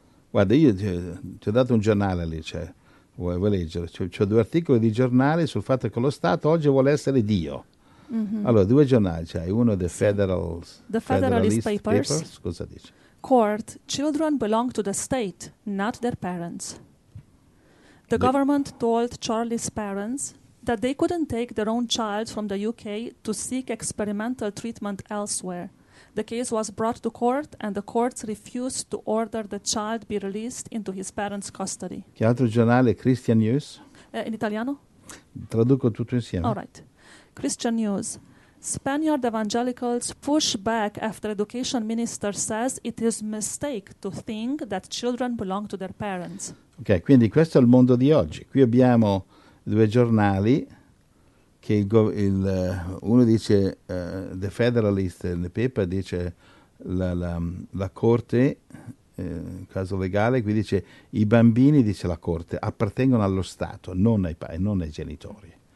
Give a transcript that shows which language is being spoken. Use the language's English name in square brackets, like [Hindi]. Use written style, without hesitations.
[Italian] Guarda, io ti ho dato un giornale lì, cioè, vuoi leggere? C'ho due articoli di giornale sul fatto che lo Stato oggi vuole essere Dio. Mm-hmm. Allora, due giornali, cioè uno dei Federalist Papers, cosa dice? [English] Court, children belong to the state, not their parents. The government told Charlie's parents that they couldn't take their own child from the UK to seek experimental treatment elsewhere. The case was brought to court and the courts refused to order the child be released into his parents' custody. [Italian] Che altro giornale? Christian News? In italiano? Traduco tutto insieme. [English] All right. Christian News. Spaniard evangelicals push back after education minister says it is a mistake to think that children belong to their parents. [Italian] Ok, quindi questo è il mondo di oggi. Qui abbiamo due giornali. Che uno dice, The Federalist nel paper dice la corte, caso legale, qui dice i bambini, dice la corte, appartengono allo Stato, non ai padri, non ai genitori.